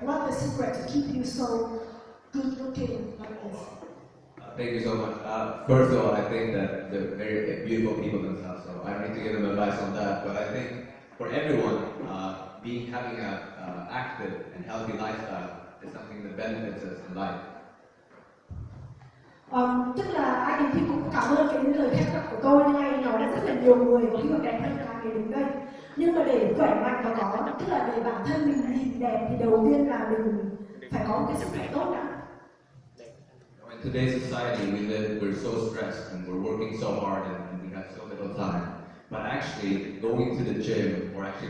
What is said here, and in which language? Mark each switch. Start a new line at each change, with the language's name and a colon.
English: What the secret to keep you so good looking like this? Thank you so much. First of all, I think that they're very beautiful people themselves. So I need to give them advice on that. But I think for everyone, having a active and healthy lifestyle is something that benefits us in life.
Vietnamese: Tức là anh thì cũng cảm ơn cái lời khen tặng của tôi ngay nói là rất là nhiều người có khi đẹp hơn cả người đứng đây, nhưng mà để khỏe mạnh và có, tức là để bản thân mình nhìn đẹp thì đầu tiên là mình phải có một cái sức khỏe tốt đã.
English: In today's society we live, we're so stressed and we're working so hard and we have so little time, but actually going to the gym or actually